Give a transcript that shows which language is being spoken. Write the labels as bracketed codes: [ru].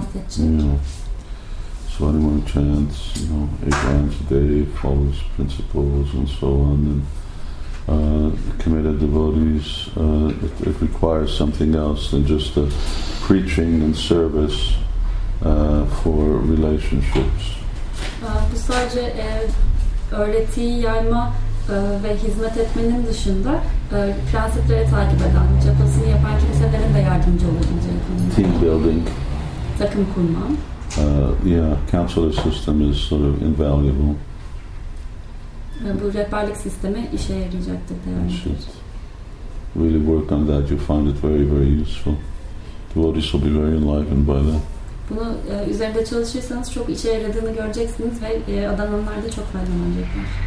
[en] So anyone chants, you know, 8 times a day, follows principles and so on, and committed devotees, it requires something else than just the preaching and service for relationships. [tr] Bu sadece öğretiyi yayma ve hizmet etmenin dışında prensiplere takip eden, japasını yapan kimselerin de yardımcı olabileceğini. [en] Team building. [tr] Takım kurma. [en] Counselor system is sort of invaluable. [tr] Bu rehberlik sistemi işe yarayacaktır. [en] Really work on that. You find it very, very useful. Devotees will be very enlightened by that. [tr] Bunu üzerinde çalışırsanız çok işe yaradığını göreceksiniz ve adamlar da çok faydalanacaklar.